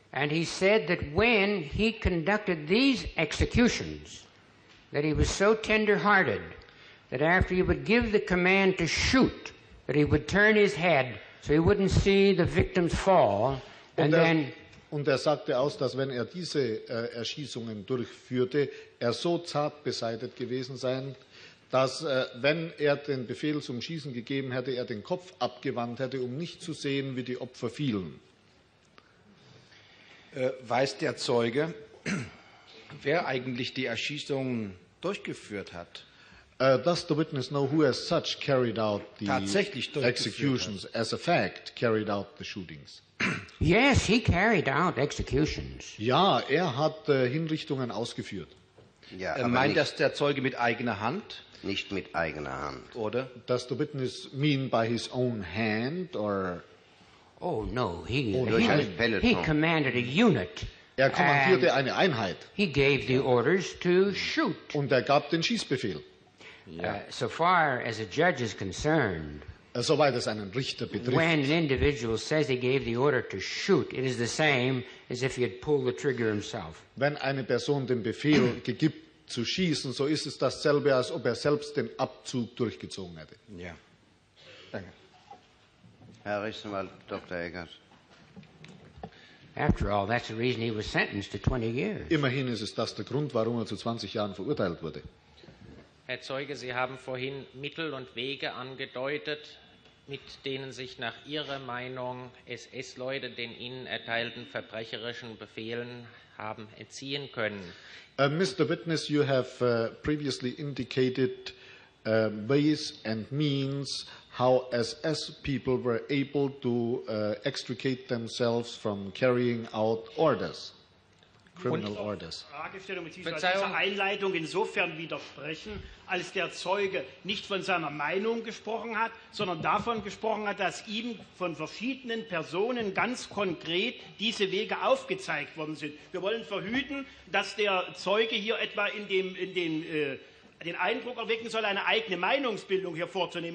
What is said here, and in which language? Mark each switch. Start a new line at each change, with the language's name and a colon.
English: And he said that when he conducted these executions, that he was so tender-hearted that after he would give the command to shoot, that he would turn his head so he wouldn't see the victims fall. And then,
German: und er sagte aus, dass wenn er diese Erschießungen durchführte, er so zart beseitet gewesen sein, dass wenn er den Befehl zum Schießen gegeben hätte, er den Kopf abgewandt hätte, um nicht zu sehen, wie die Opfer fielen. Weiß der Zeuge, wer eigentlich die Erschießungen durchgeführt hat?
English: Does the witness know who as such carried out the
German: tatsächlich
English: executions
German: hat.
English: As a fact carried out the shootings? Yes, he carried out executions.
German: Ja, er hat Hinrichtungen ausgeführt. Ja, meint das der Zeuge mit eigener Hand? Nicht mit eigener Hand. Oder?
English: Does the witness mean by his own hand or? Oh no, he commanded a unit.
German: Er kommandierte eine Einheit.
English: He gave the orders to shoot.
German: Und er gab den Schießbefehl.
English: Yeah. So far as a judge is concerned,
German: soweit es einen Richter betrifft,
English: when an individual says he gave the order to shoot, it is the same as if he had pulled the trigger himself.
German: Wenn eine Person den Befehl gibt zu schießen, so ist es dasselbe, als ob er selbst den Abzug durchgezogen hätte. Ja. Yeah. Danke. Herr Rechtsanwalt, Dr. Eggers.
English: After all, that's the reason he was sentenced to 20 years.
German: Immerhin ist es das der Grund, warum er zu 20 Jahren verurteilt wurde. Herr Zeuge, Sie haben vorhin Mittel und Wege angedeutet, mit denen sich nach Ihrer Meinung SS-Leute den Ihnen erteilten verbrecherischen Befehlen haben entziehen können.
English: Mr. Witness, you have previously indicated ways and means how SS people were able to extricate themselves from carrying out orders, criminal orders.
German: Fragestellung bzw. dieser Einleitung insofern widersprechen, als der Zeuge nicht von seiner Meinung gesprochen hat, sondern davon gesprochen hat, dass ihm von verschiedenen Personen ganz konkret diese Wege aufgezeigt worden sind. Wir wollen verhüten, dass der Zeuge hier etwa den Eindruck erwecken soll, eine eigene Meinungsbildung hier vorzunehmen.